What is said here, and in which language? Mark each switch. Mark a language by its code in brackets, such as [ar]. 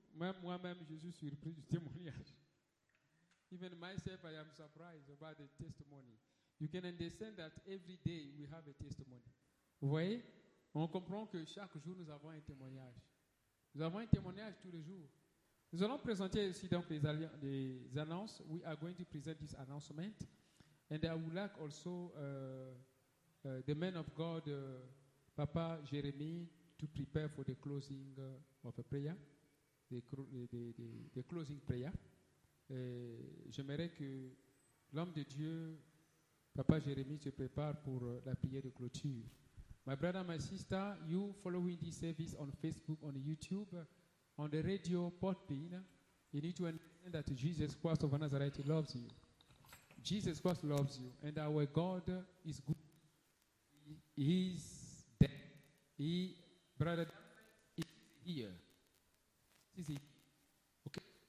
[fr] Même moi-même, je suis surpris du témoignage. [en] Even myself, I am surprised about the testimony. You can understand that every day we have a testimony. [fr] Vous voyez, on comprend que chaque jour, nous avons un témoignage. Nous avons un témoignage tous les jours. Nous allons présenter aussi donc les annonces. [en] We are going to present this announcement. And I would like also the man of God, Papa Jeremy, to prepare for the closing of a prayer, the closing prayer. [fr] J'aimerais que l'homme de Dieu, Papa Jeremy, se prépare pour la prière de clôture. [en] My brother, my sister, you following this service on Facebook, on YouTube, on the radio, Podbean, you need to understand that Jesus Christ of Nazareth loves you. Jesus Christ loves you, and our God is good. He is dead. He, brother, is here. Is he? Okay.